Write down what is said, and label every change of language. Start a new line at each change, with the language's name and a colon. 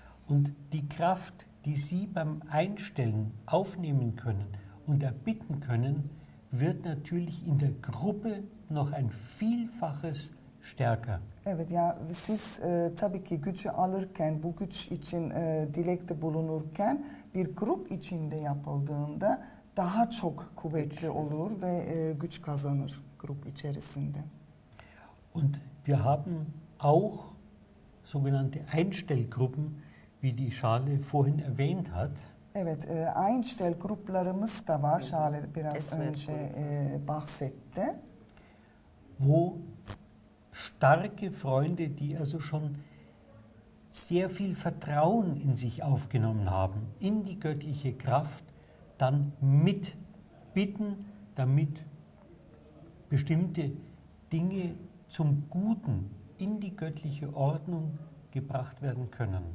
German: Und die Kraft, die Sie beim Einstellen aufnehmen können und erbitten können, wird natürlich in der Gruppe noch ein Vielfaches stärker.
Turkish: Evet ya siz tabii ki gücü alırken bu güç için dilekte bulunurken bir grup içinde yapıldığında daha çok kuvvetli olur ve güç kazanır grup içerisinde.
German: Und wir haben auch sogenannte Einstellgruppen, wie die Schale vorhin erwähnt hat.
Turkish: Evet, Einstellgruplarımız da var. Schale biraz önce bahsetti.
German: Wo starke Freunde, die also schon sehr viel Vertrauen in sich aufgenommen haben, in die göttliche Kraft, dann mit bitten, damit bestimmte Dinge zum Guten in die göttliche Ordnung gebracht werden können.